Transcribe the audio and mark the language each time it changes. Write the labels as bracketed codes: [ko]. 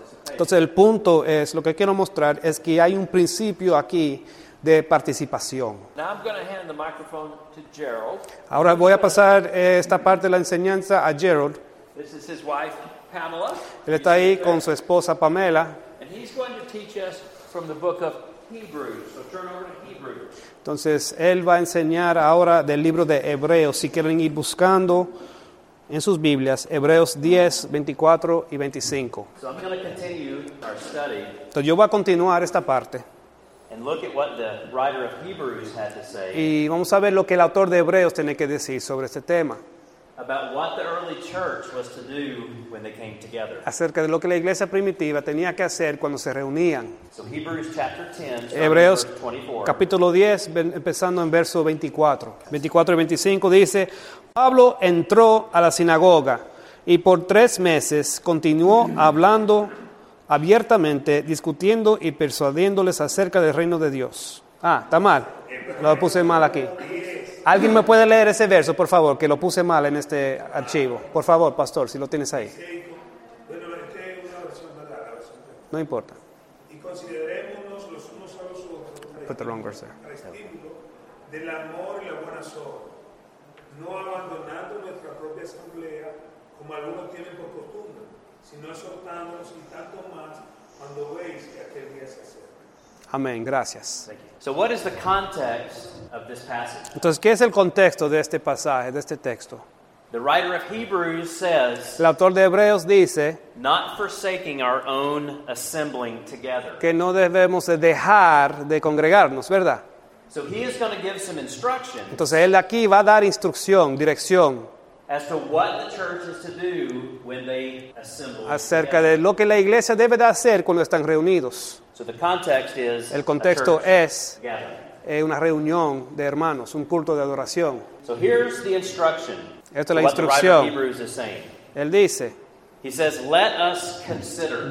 [es] Entonces el punto es, lo que quiero mostrar es que hay un principio aquí de participación. [en] Now I'm going to hand the microphone to Gerald. [es] Ahora voy a pasar esta parte de la enseñanza a Gerald. [en] This is his wife, Pamela. [es] Él está ahí con su esposa Pamela. [en] And he's going to teach us from the book of Hebrews. So turn over to Hebrews. [es] Entonces él va a enseñar ahora del libro de Hebreos. Si quieren ir buscando en sus Biblias, Hebreos 10, 24 y 25. [en] So I'm going to continue our study. [es] Entonces yo voy a continuar esta parte. [en] And look at what the writer of Hebrews had to say. [es] Y vamos a ver lo que el autor de Hebreos tiene que decir sobre este tema. [en] About what the early church was to do when they came together. [es] Acerca de lo que la iglesia primitiva tenía que hacer cuando se reunían. [en] So Hebrews chapter 10, [es] Hebreos [en] verse 24. [es] Capítulo 10, empezando en verso 24. 24 y 25 dice, Pablo entró a la sinagoga y por tres meses continuó hablando abiertamente, discutiendo y persuadiéndoles acerca del reino de Dios. Ah, está mal. Lo puse mal aquí. ¿Alguien me puede leer ese verso, por favor? Que lo puse mal en este archivo. Por favor, pastor, si lo tienes ahí. No importa. Y considerémonos los unos a los otros. [en] Put the wrong verse there. [es] Del amor y la buena sobra. No abandonando nuestra propia asamblea, como algunos tienen por costumbre. Sino exhortándonos y tanto más cuando veis que aquel día se acerca. Amén, gracias. [en] So what is the context of this passage? [es] Entonces, ¿qué es el contexto de este pasaje, de este texto? [en] The writer of Hebrews says, [es] el autor de Hebreos dice, [en] not forsaking our own assembling together. [es] Que no debemos dejar de congregarnos, ¿verdad? [en] So he is going to give some instructions. [es] Entonces él aquí va a dar instrucción, dirección. [en] As to what the church is to do when they assemble. [es] Acerca de lo que la iglesia debe de hacer cuando están reunidos. [en] So the context is, [es] el contexto es [en] together. [es] Una reunión de hermanos, un culto de adoración. [en] So here's the instruction. [es] Esto es la instrucción. [en] What the writer of Hebrews is saying. [es] Él dice, [en] he says, let us consider.